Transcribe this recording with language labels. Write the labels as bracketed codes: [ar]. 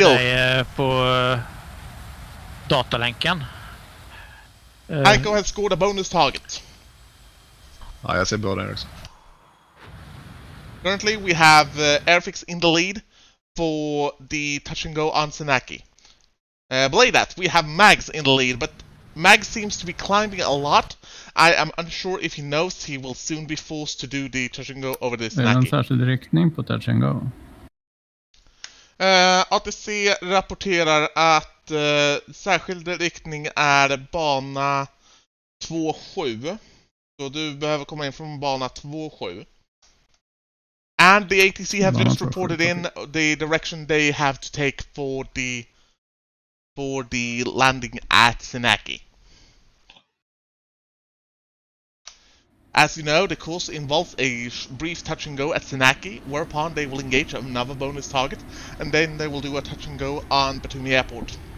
[sv] Jag har ju sett dig på datalänken. [en] Ico has scored a bonus target. [sv] Ja, jag ser bra där också. [en] Currently we have Airfix in the lead for the touch and go on Zanaki. Believe that, we have Mags in the lead, but Mags seems to be climbing a lot. I am unsure if he knows he will soon be forced to do the touch and go over this. [sv] Är det en särskild riktning på touch and go? ATC rapporterar att särskild riktning är bana 2-7. Så du behöver komma in från bana 2-7. [en] And the ATC have bana just reported 2-7. In the direction they have to take for the landing at Zanaki. As you know, the course involves a brief touch-and-go at Zanaki, whereupon they will engage another bonus target, and then they will do a touch-and-go on Batumi Airport.